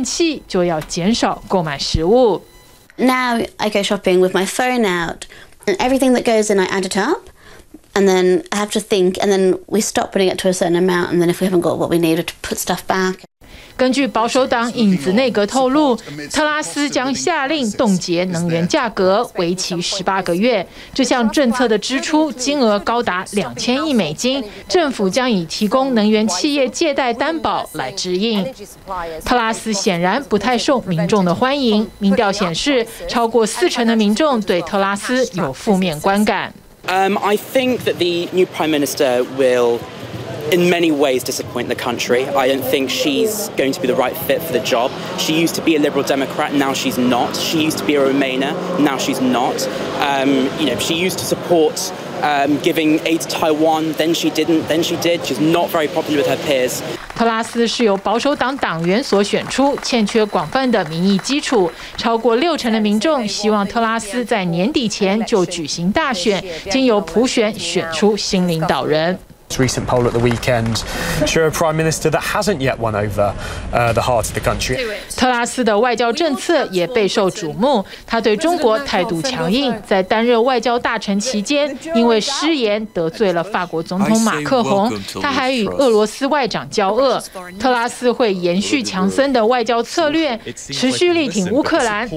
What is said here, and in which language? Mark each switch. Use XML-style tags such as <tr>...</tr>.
<zh>贝卡必须兼5份工作才能抚养9岁的女儿，她每天过着斤斤计较的生活。如果多用了瓦斯和电器，就要减少购买食物。</zh> <en>Now I go shopping with my phone out, and everything that goes in, I add it up. And then I have to think, and then we stop putting it to a certain amount, and then if we haven't got what we need, we have to put stuff back.</en> <zh>根据保守党影子内阁透露，特拉斯将下令冻结能源价格，为期18个月。这项政策的支出金额高达2000亿美金。政府将以提供能源企业借贷担保来支应。特拉斯显然不太受民众的欢迎。民调显示，超过40%的民众对特拉斯有负面观感。</zh> <en>I think that the new prime minister will. In many ways, disappoint the country. I don't think she's going to be the right fit for the job. She used to be a Liberal Democrat, now she's not. She used to be a Remainer, now she's not. You know, she used to support giving aid to Taiwan, then she didn't, then she did. She's not very popular with her peers.</en> <zh>特拉斯是由保守党党员所选出，欠缺广泛的民意基础。超过60%的民众希望特拉斯在年底前就举行大选，经由普选选出新领导人。</zh> <en>recent poll at the weekend show a prime minister that hasn't yet won over the heart of the country.</en> <zh>特拉斯的外交政策也备受瞩目，他对中国态度强硬，在担任外交大臣期间，因为失言得罪了法国总统马克宏，他还与俄罗斯外长交恶。特拉斯会延续强森的外交策略，持续力挺乌克兰。</zh>